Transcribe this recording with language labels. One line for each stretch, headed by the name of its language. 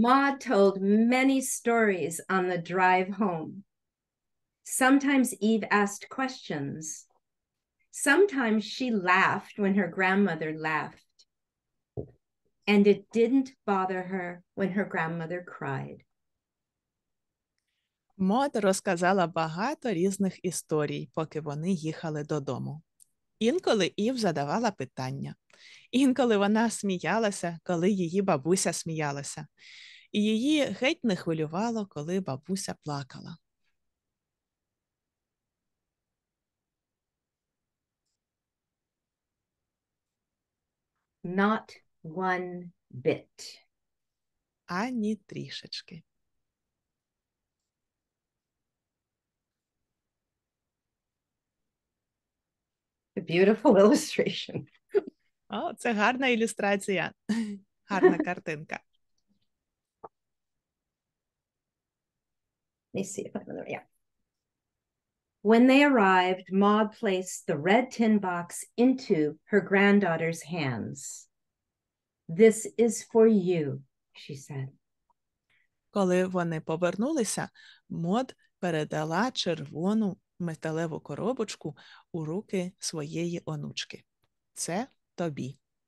English: Ma told many stories on the drive home. Sometimes Eve asked questions. Sometimes she laughed when her grandmother laughed. And it didn't bother her when her grandmother cried.
Ukrainian: Maud розказала багато різних історій, поки вони їхали додому. Інколи Ів задавала питання. Інколи вона сміялася, коли її бабуся сміялася. І її геть не хвилювало, коли бабуся плакала.
English: Not one bit.
Ukrainian: Ані трішечки.
English: A beautiful illustration.
Ukrainian: О, це гарна ілюстрація. Гарна картинка.
English: Let me see if I remember. Yeah. When they arrived, Maud placed the red tin box into her granddaughter's hands. This is for you, she said.
Ukrainian: Коли вони повернулися, Maud передала червону металеву коробочку у руки своєї онучки. Це тобі.